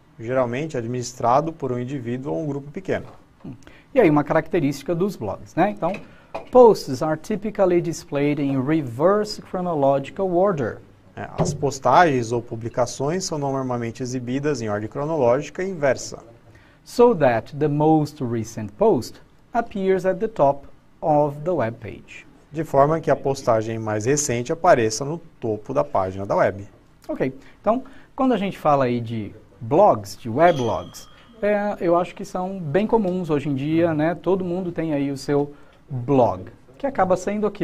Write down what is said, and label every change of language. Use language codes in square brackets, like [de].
[pt] Geralmente administrado por um indivíduo ou um grupo pequeno. E aí uma característica dos blogs, né? Então, [en] posts are typically displayed in reverse chronological order. [pt] As postagens ou publicações são normalmente exibidas em ordem cronológica inversa. [en] So that the most recent post appears at the top of the web page. [pt] De forma que a postagem mais recente apareça no topo da página da web. Ok. Então, quando a gente fala aí de blogs, de weblogs, eu acho que são bem comuns hoje em dia, né? Todo mundo tem aí o seu blog. Que acaba sendo o quê?